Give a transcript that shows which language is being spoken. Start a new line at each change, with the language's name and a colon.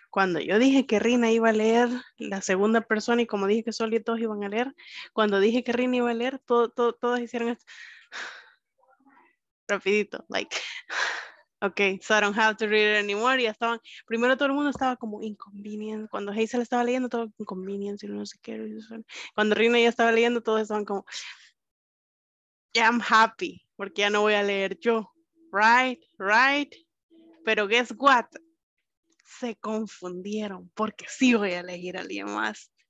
Spanish: Cuando yo dije que Rina iba a leer la segunda persona y como dije que solo y todos iban a leer, cuando dije que Rina iba a leer, todos hicieron esto. Rapidito, like.
English: Okay, so I don't have to read it anymore.
Spanish: Ya estaban, primero todo el mundo estaba como inconvenience. Cuando Hazel estaba leyendo, todo inconvenience y no sé qué. Cuando Rina ya estaba leyendo, todos estaban como,
English: yeah, I'm happy,
Spanish: porque ya no voy a leer yo.
English: Right, right.
Spanish: Pero
English: guess what?
Spanish: Se confundieron porque sí voy a elegir a alguien más.